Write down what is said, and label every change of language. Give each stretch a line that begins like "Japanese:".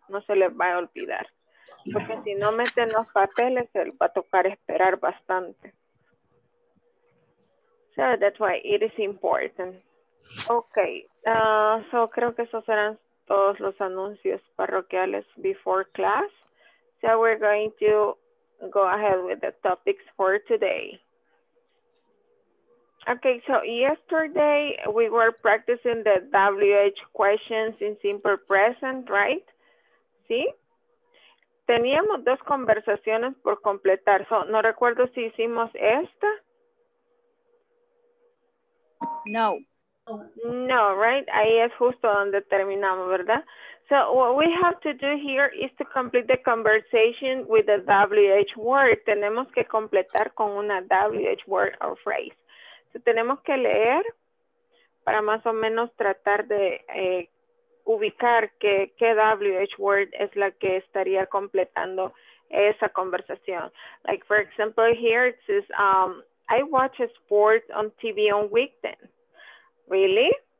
Spanish: No se les va a olvidar. Porque si no meten los papeles, se les va a tocar esperar bastante.
English: So that's why it is important. Okay, so
Spanish: creo que esos serán todos los anuncios parroquiales
English: before class. So we're going to go ahead with the topics for today. Okay, so yesterday we were practicing the WH questions in simple present, right? ¿Sí?
Spanish: Teníamos dos conversaciones por completar. So no recuerdo si hicimos esta. No, right? Ahí es justo donde terminamos, ¿verdad?
English: So what we have to do here is to complete the conversation with a WH word.
Spanish: Tenemos que completar con una
English: WH word or phrase.
Spanish: So tenemos que leer para más o menos tratar de ubicar qué WH word es la que estaría completando esa conversación.
English: Like, for example, here it says, I watch sports on TV on weekends. Really?